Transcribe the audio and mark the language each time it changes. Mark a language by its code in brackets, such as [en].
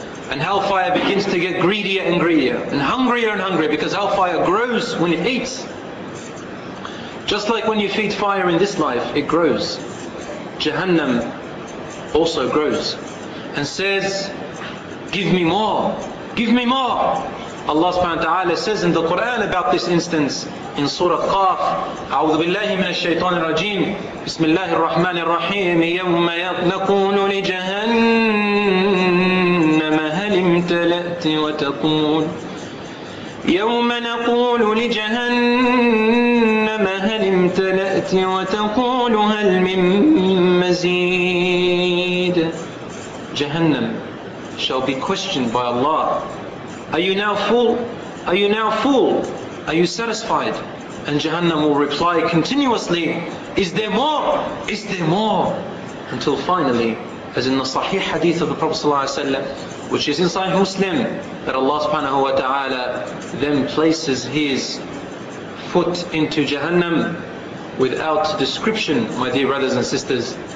[en] And hellfire begins to get greedier and greedier and hungrier because hellfire grows when it eats. Just like when you feed fire in this life, it grows. Jahannam also grows and says, "Give me more, give me more." Allah subhanahu wa ta'ala says in the Quran about this instance in Surah Qaf, [ar] أعوذ بالله من الشيطان الرجيم بسم الله الرحمن الرحيم يوم نكون لجهنم هل امتلأت وتقول يوم نقول لجهنم هل امتلأت وتقول هل من مزيد. [en] Jahannam shall be questioned by Allah, "Are you now full? Are you now full? Are you satisfied?" And Jahannam will reply continuously, "Is there more? Is there more? until finally, as in the Sahih Hadith of the Prophet ﷺ, which is in Sahih Muslim, that Allah subhanahu wa ta'ala then places his foot into Jahannam without description, my dear brothers and sisters.